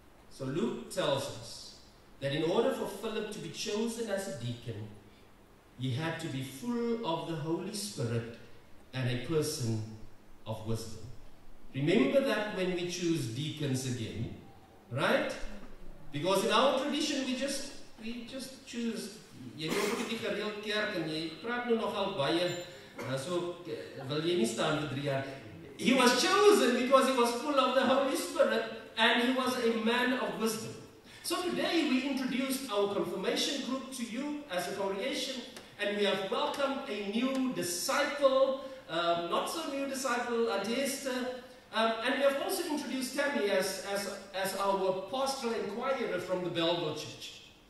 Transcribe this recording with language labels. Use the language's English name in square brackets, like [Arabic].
[English] So Luke tells us that in order for Philip to be chosen as a deacon, he had to be full of the Holy Spirit and a person of wisdom. Remember that when we choose deacons again, right? Because in our tradition, we just choose. [Afrikaans] Jy het ook die gereelde kerk en jy praat nou nogal baie. So, wil jy nie staan vir 3 jaar? [English] He was chosen because he was full of the Holy Spirit and he was a man of wisdom. So today we introduced our confirmation group to you as a congregation, and we have welcomed a new disciple, not so new disciple, Adesta, and we have also introduced Tammy as our pastoral inquirer from the Bellville Church.